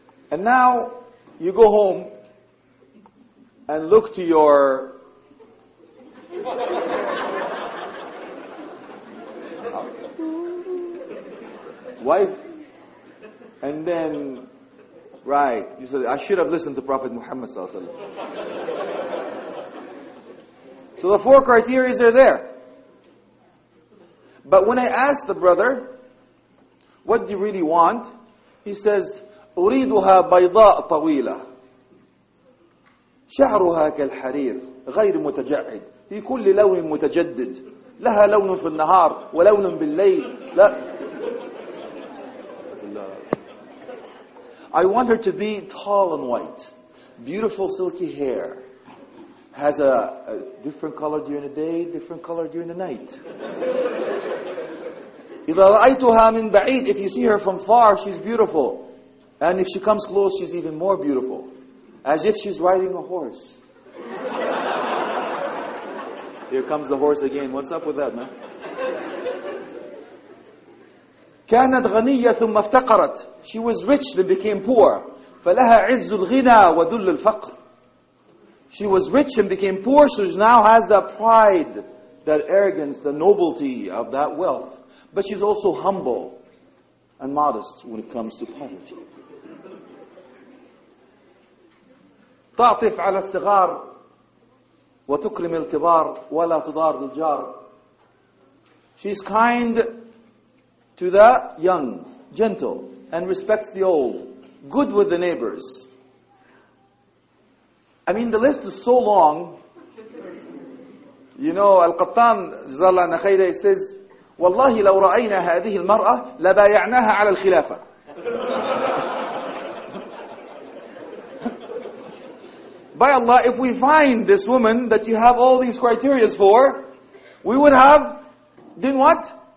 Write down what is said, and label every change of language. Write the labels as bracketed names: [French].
[English] And now you go home and look to your wife, and then, right, you said, I should have listened to Prophet Muhammad sallallahu alaihi wasallam. So the four criteria are there. But when I asked the brother, what do you really want? He says, [Arabic] أريدها بيضاء طويلة شعرها كالحرير غير متجعد في كل لون متجدد لها لون في النهار ولون بالليل. لا. [English] I want her to be tall and white, beautiful silky hair, has a different color during the day, different color during the night. [Arabic] إذا رأيتها من بعيد, [English] if you see her from far, she's beautiful. And if she comes close, she's even more beautiful. As if she's riding a horse. Here comes the horse again. What's up with that, man? [Arabic] كانت غنية ثم افتقرت. [English] She was rich, then became poor. [Arabic] فلها عز الغنى وذل الفقر. [English] She was rich and became poor, so she now has that pride, that arrogance, the nobility of that wealth. But she's also humble and modest when it comes to poverty. [Arabic] تعطف على الصغار وتكرم الكبار ولا تضار الجار. [English] She's kind to the young, gentle, and respects the old, good with the neighbors. I mean, the list is so long. You know, Al-Qattan, Zala Nakhayda, says, [Arabic] وَاللَّهِ لَوْ رَأَيْنَا هَذِهِ الْمَرْأَةِ لَبَايَعْنَاهَا عَلَى الْخِلَافَةِ [English] By Allah, if we find this woman that you have all these criteria for, we would have, then what?